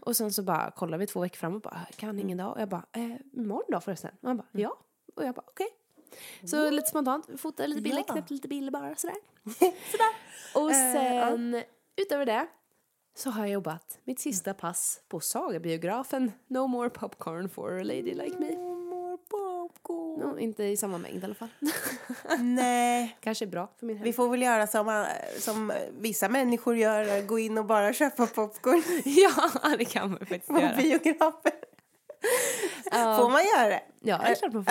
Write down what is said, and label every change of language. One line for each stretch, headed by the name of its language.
Swedish: Och sen så bara kollade vi 2 veckor fram och bara, kan ingen dag? Och jag bara, imorgon då förresten? Och han bara, ja. Och jag bara, okej. Okay. Så lite spontant, fotade lite bilder, knäppte lite bilder bara, sådär. Och sen, utöver det, så har jag jobbat mitt sista pass på Sagabiografen.
English: No more popcorn for a lady like me. No more popcorn.
Swedish: No, inte i samma mängd i alla fall. Nej. Kanske bra för min hälsa. Vi får väl göra som vissa människor gör, gå in och bara köpa popcorn. Ja, det kan man faktiskt göra. På biografen. Får man göra det? Ja, det är klart man får.